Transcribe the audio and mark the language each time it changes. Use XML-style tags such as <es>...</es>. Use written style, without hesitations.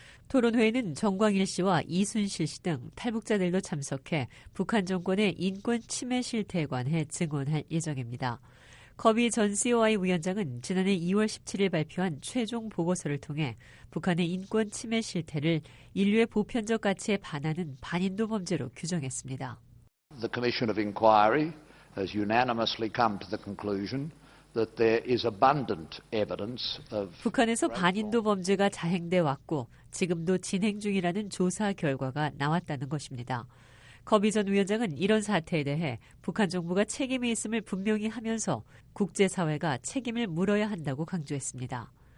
<ko>토론회에는 정광일 씨와 이순실 씨 등 탈북자들도 참석해 북한 정권의 인권 침해 실태에 관해 증언할 예정입니다. 커비 전 COI 위원장은 지난해 2월 17일 발표한 최종 보고서를 통해 북한의 인권 침해 실태를 인류의 보편적 가치에 반하는 반인도 범죄로 규정했습니다.</ko> <en>The Commission of Inquiry has unanimously come to the conclusion that there is abundant evidence of</en> <ko>북한에서 반인도 범죄가 자행돼 왔고 지금도 진행 중이라는 조사 결과가 나왔다는 것입니다. 커비 전 위원장은 이런 사태에 대해 북한 정부가 책임이 있음을 분명히 하면서 국제사회가 책임을 물어야 한다고 강조했습니다.</ko>